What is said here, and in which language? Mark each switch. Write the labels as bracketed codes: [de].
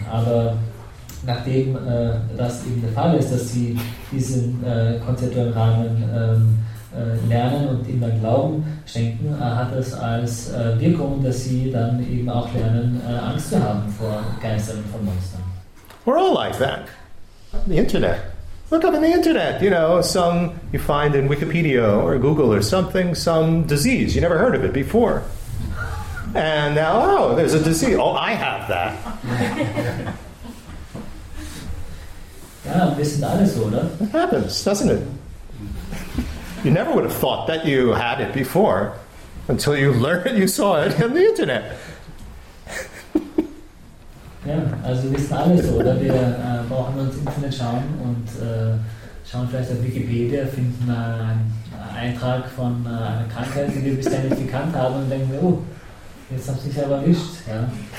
[de] Aber nachdem das eben der Fall ist, dass sie diesen konzeptuellen Rahmen lernen und ihnen dann Glauben schenken, hat es als Wirkung, dass sie dann eben auch lernen, Angst zu haben vor Geistern und von Monstern. [en] We're all like that. The internet. Look up in the internet, you know, some you find in Wikipedia or Google or something, some disease. You never heard of it before. And now, oh, there's a disease. Oh, I have that. [de] Ja, wir sind alle so, oder? [en] It happens, doesn't it? You never would have thought that you had it before until you learned you saw it on the internet. [de] Ja, also wir sind alle so, oder? Wir brauchen uns im Internet schauen und schauen vielleicht auf Wikipedia, finden einen Eintrag von einer Krankheit, die wir bisher nicht gekannt haben und denken, oh, jetzt hab ich mich aber erwischt. Ja.